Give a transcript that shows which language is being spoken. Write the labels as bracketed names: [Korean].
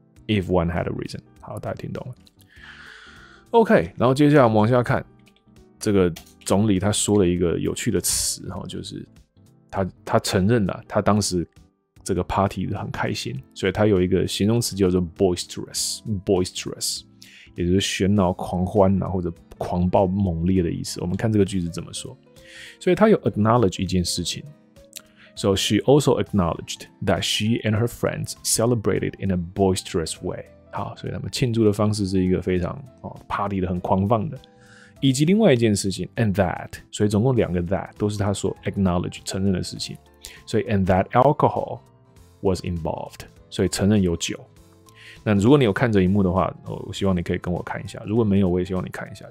[English] If one had arisen， [Chinese] 好，大家听懂了 ？OK， 然后接下来我们往下看，这个总理他说了一个有趣的词哈，就是他承认了他当时。这个 party 很开心，所以它有一个形容词叫做 boisterous， 也就是喧闹、狂欢、啊、或者狂暴、猛烈的意思。我们看这个句子怎么说。所以它有 acknowledge 一件事情。 [English] So she also acknowledged that she and her friends celebrated in a boisterous way。 [Chinese] 好，所以他们庆祝的方式是一个非常、哦、party 的很狂放的。以及另外一件事情 ， [English] and that， [Chinese] 所以总共两个 that 都是他说 acknowledge 承认的事情。所以 [English] and that alcohol was involved， [Chinese] 所以承认有酒。那如果你有看这一幕的话，我希望你可以跟我看一下。如果没有，我也希望你看一下。